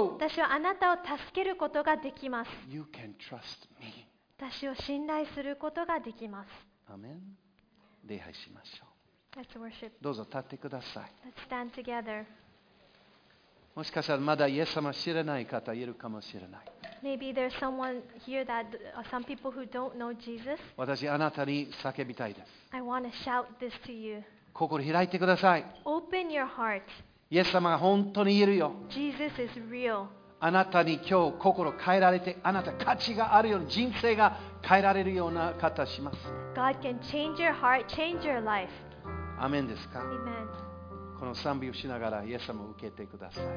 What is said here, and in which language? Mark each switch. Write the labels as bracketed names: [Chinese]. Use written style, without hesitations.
[Japanese] 私はあなたを助けることができます。 [English] You can trust me. [Japanese] 私を信頼することができます。アメン。礼拝しましょう。 [English] Let's worship. [Japanese] どうぞ立ってください。 [English] Let's stand together. [Japanese] もしかしたらまだイエス様知らない方いるかもしれない。 [English] Maybe there's someone here that some people who don't know Jesus. [Japanese] 私あなたに叫びたいです。 [English] I want to shout this to you. [Japanese] 心開いてください。 [English] Open your heart. [Japanese] イエス様が本当にいるよ。 [English] Jesus is real. [Japanese] あなたに今日心変えられて、あなた価値があるように人生が変えられるような方します。 [English] God can change your heart, change your life. [Japanese] アメンですか。 [English] Amen. [Japanese] この賛美をしながらイエス様を受けてください。